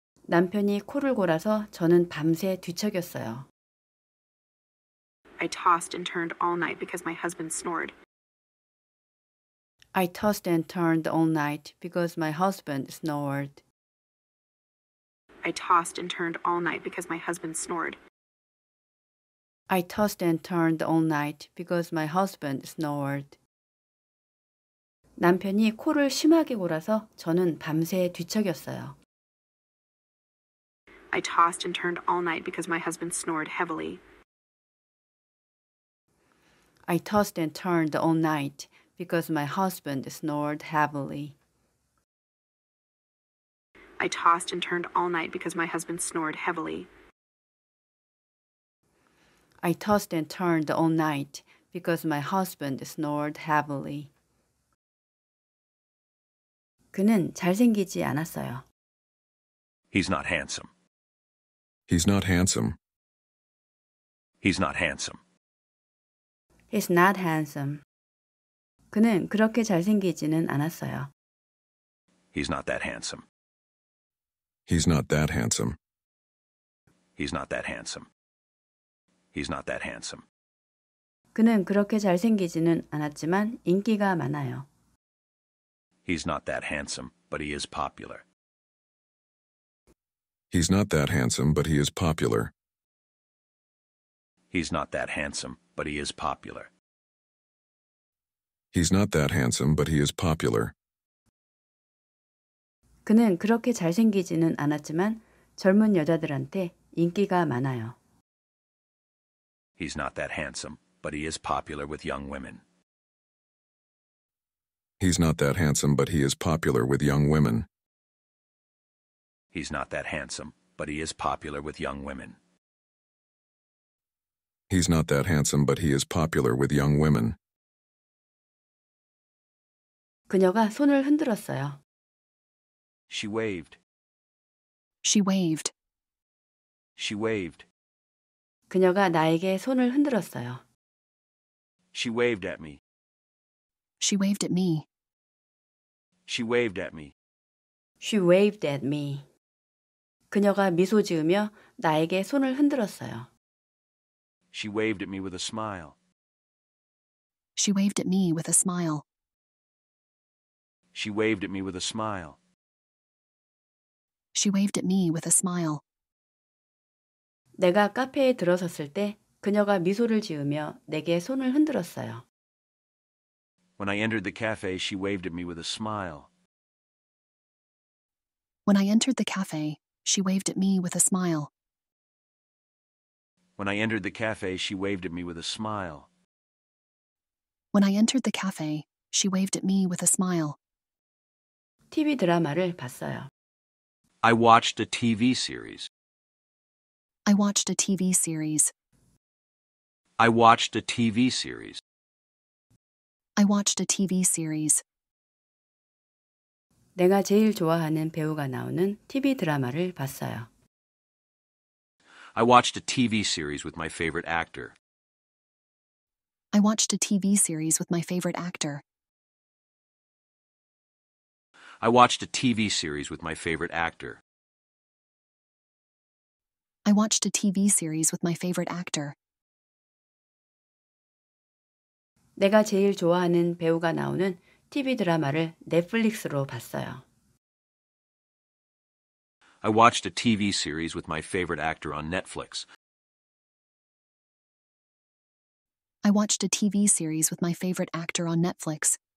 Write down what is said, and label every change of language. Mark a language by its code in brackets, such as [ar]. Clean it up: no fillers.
[ko] 남편이 코를 골아서 저는 밤새 뒤척였어요. [en] I tossed and turned all night because my husband snored. I tossed and turned all night because my husband snored. I tossed and turned all night because my husband snored. I tossed and turned all night because my husband snored. [ko] 남편이 코를 심하게 골아서 저는 밤새 뒤척였어요. [en] I tossed and turned all night because my husband snored heavily. I tossed and turned all night because my husband snored heavily. I tossed and turned all night because my husband snored heavily. I tossed and turned all night because my husband snored heavily. [ko] 그는 잘생기지 않았어요. [en] He's not handsome. He's not handsome. He's not handsome. He's not handsome. [ko] 그는 그렇게 잘생기지는 않았어요. [en] He's not that handsome. He's not that handsome. He's not that handsome. He's not that handsome. [ko] 그는 그렇게 잘생기지는 않았지만 인기가 많아요. [en] He's not that handsome, but he is popular. He's not that handsome, but he is popular. He's not that handsome, but he is popular. He's not that handsome, but he is popular. [ko] 그는 그렇게 잘생기지는 않았지만 젊은 여자들한테 인기가 많아요. [en] He's not that handsome, but he is popular with young women. He's not that handsome, but he is popular with young women. He's not that handsome, but he is popular with young women. He's not that handsome, but he is popular with young women. [ko] 그녀가 손을 흔들었어요. [en] She waved. She waved. She waved. [ko] 그녀가 나에게 손을 흔들었어요. [en] She waved at me. She waved at me. She waved at me. She waved at me. [ko] 그녀가 미소 지으며 나에게 손을 흔들었어요. [en] She waved at me with a smile. She waved at me with a smile. She waved at me with a smile. She waved at me with a smile. [ko] 내가 카페에 들어섰을 때 그녀가 미소를 지으며 내게 손을 흔들었어요. [en] When I entered the cafe, she waved at me with a smile. When I entered the cafe, she waved at me with a smile. When I entered the cafe, she waved at me with a smile. When I entered the cafe, she waved at me with a smile. [ko] TV 드라마를 봤어요. [en] I watched a TV series. I watched a TV series. I watched a TV series. I watched a TV series. [ko] 내가 제일 좋아하는 배우가 나오는 TV 드라마를 봤어요. [en] I watched a TV series with my favorite actor. I watched a TV series with my favorite actor. I watched a TV series with my favorite actor. I watched a TV series with my favorite actor. [ko] 내가 제일 좋아하는 배우가 나오는 TV 드라마를 넷플릭스로 봤어요. [en] I watched a TV series with my favorite actor on Netflix. I watched a TV series with my favorite actor on Netflix.